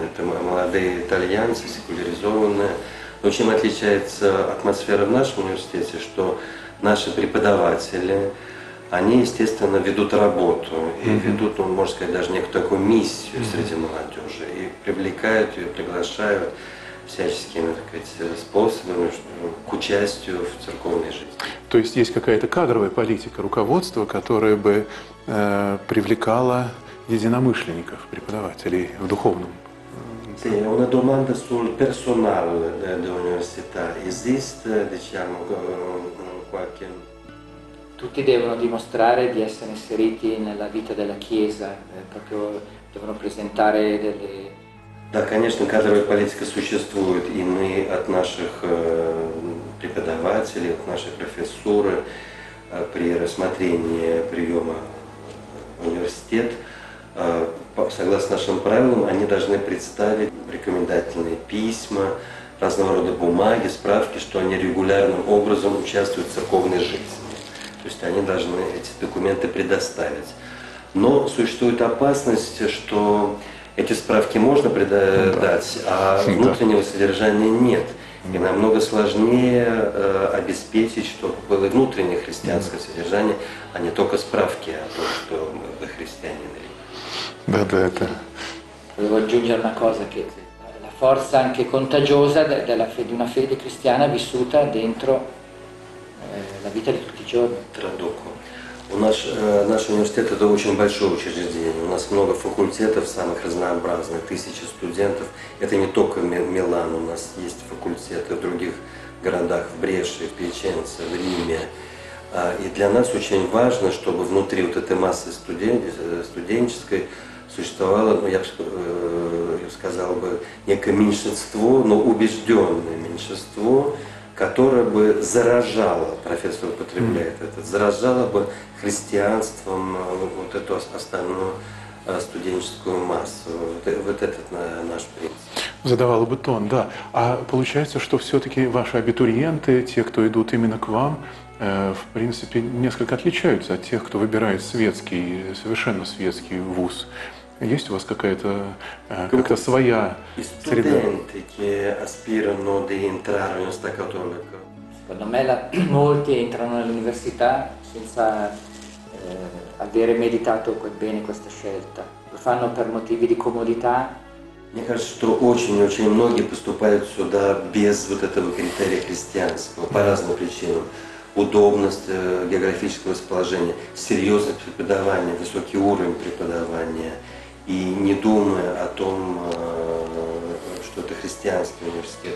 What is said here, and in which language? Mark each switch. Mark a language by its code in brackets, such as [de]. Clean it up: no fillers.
[ru] Это молодые итальянцы, секуляризованные. Но чем отличается атмосфера в нашем университете, что наши преподаватели, они, естественно, ведут работу и ведут, ну, можно сказать, даже некую такую миссию среди молодежи. И привлекают ее, приглашают всяческими, так сказать, способами к участию в церковной жизни. То есть есть какая-то кадровая политика, руководство, которое бы привлекало единомышленников, преподавателей в духовном? [it] Sì, è una domanda sul personale dell'università. Esiste, diciamo, qualche... Tutti devono dimostrare di essere inseriti nella vita della Chiesa, proprio devono presentare delle... [ru] Да, конечно, кадровая политика существует, и мы от наших преподавателей, от нашей профессуры при рассмотрении приема в университет, согласно нашим правилам, они должны представить рекомендательные письма, разного рода бумаги, справки, что они регулярным образом участвуют в церковной жизни. То есть они должны эти документы предоставить. Но существует опасность, что эти справки можно предоставить, а внутреннего содержания нет. И намного сложнее обеспечить, чтобы было внутреннее христианское содержание, а не только справки о том, что вы христианин. Да, это. [it] Volevo aggiungere una cosa, che la forza anche contagiosa della fede, una fede cristiana vissuta dentro la vita di tutti i giorni. Traduco. [ru] Наш университет – это очень большое учреждение. У нас много факультетов самых разнообразных, тысячи студентов. Это не только Милан, у нас есть факультеты в других городах, в Бреше, в Пьяченце, в Риме. И для нас очень важно, чтобы внутри вот этой массы студенческой существовало, ну, я бы сказал, некое меньшинство, но убежденное меньшинство, которое бы заражало, профессор употребляет это, заражало бы христианством вот эту остальную студенческую массу. Вот этот наш принцип. Задавало бы тон, да. А получается, что все-таки ваши абитуриенты, те, кто идут именно к вам, в принципе, несколько отличаются от тех, кто выбирает светский, совершенно светский вуз. Есть у вас какая-то как-то своя среда? Студенты, которые аспирируют на [it] entrare in università cattolica. Secondo me molti entrano nell'università senza avere meditato bene questa scelta. Lo fanno per motivi di comodità. [ru] Мне кажется, что очень-очень многие поступают сюда без вот этого критерия христианского по разным причинам. Удобность географического расположения, серьезное преподавание, высокий уровень преподавания. И не думая о том, что это христианский университет.